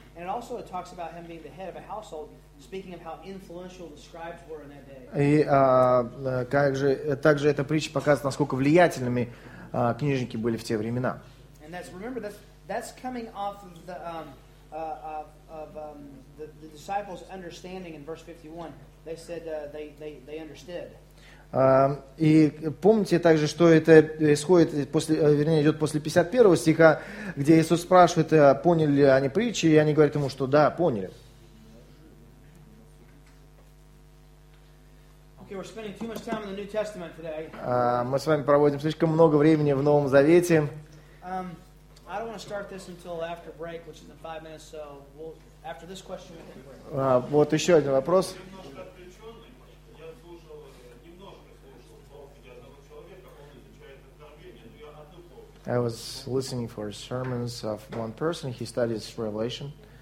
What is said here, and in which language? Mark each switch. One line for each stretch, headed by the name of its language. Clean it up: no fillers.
English: And also it talks about him being the head of a household. Speaking of how influential the scribes were in that day.
Russian: И также эта притча показывает, насколько влиятельными книжники были в те времена.
English: And that's, remember, that's coming off of the disciples' understanding in verse 51. They said they understood.
Russian: И помните также, что это исходит, идет после 51 стиха, где Иисус спрашивает, поняли ли они притчи, и они говорят ему, что да, поняли.
English: Okay, we're spending too much time in the New Testament today.
Russian: Мы с вами проводим слишком много времени в Новом Завете.
English: I don't want to start this until after break, which is in 5 minutes, so we'll, after this question, we'll break.
Russian: Вот еще один вопрос.
English: I was listening for sermons of one person. He studies Revelation.